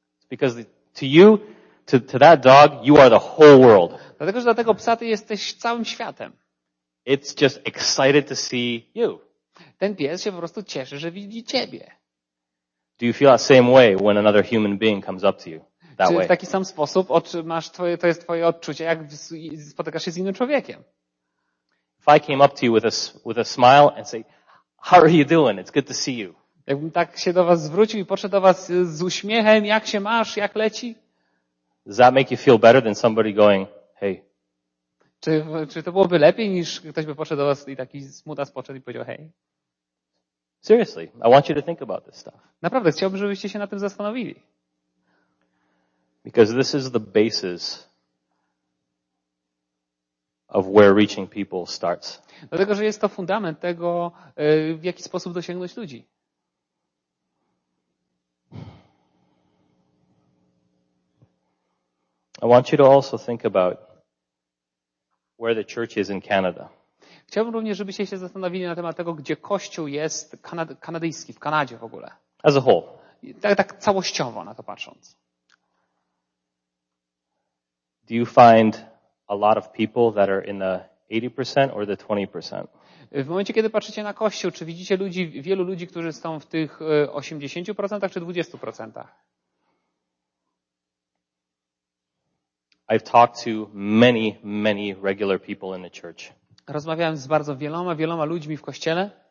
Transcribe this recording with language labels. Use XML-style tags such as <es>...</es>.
<en>Because to that dog, you are the whole world.</en> <pl>Dlatego, że dla tego psa ty jesteś całym światem.</pl> <en>It's just excited to see you.</en> <pl>Ten pies się po prostu cieszy, że widzi ciebie.</pl> <en>Do you feel that same way when another human being comes up to you? That way.</en> <pl>Czy w taki sam sposób masz to jest twoje odczucie, jak spotykasz się z innym człowiekiem?</pl> <en>If I came up to you with a smile and say, "How are you doing? It's good to see you."</en> <pl>Jakbym tak się do was zwrócił i podszedł do was z uśmiechem, jak się masz, jak leci?</pl> <en>Does that make you feel better than somebody going, "Hey"?</en> <pl>Czy to byłoby lepiej, niż ktoś by poszedł do was i taki smutas poszedł i powiedział, "Hey"?</pl> <en>Seriously, I want you to think about this stuff.</en> <pl>Naprawdę, chciałbym, żebyście się na tym zastanowili.</pl> <en>Because this is the basis of where reaching people starts.</en> <pl>Dlatego, że jest to fundament tego, w jaki sposób dosięgnąć ludzi.</pl> <en>I want you to also think about where the church is in Canada.</en> <pl>Chciałbym również, żebyście się zastanowili na temat tego, gdzie Kościół jest kanadyjski, w Kanadzie w ogóle.</pl> <en>As a whole.</en> <pl>Tak całościowo na to patrząc.</pl> <en>Do you find a lot of people that are in the 80% or the 20%?</en> <pl>W momencie, kiedy patrzycie na Kościół, czy widzicie ludzi, wielu ludzi, którzy są w tych 80% czy 20%?</pl> <en>I've talked to many, many regular people in the church.</en> <pl>Rozmawiałem z bardzo wieloma ludźmi w kościele.</pl>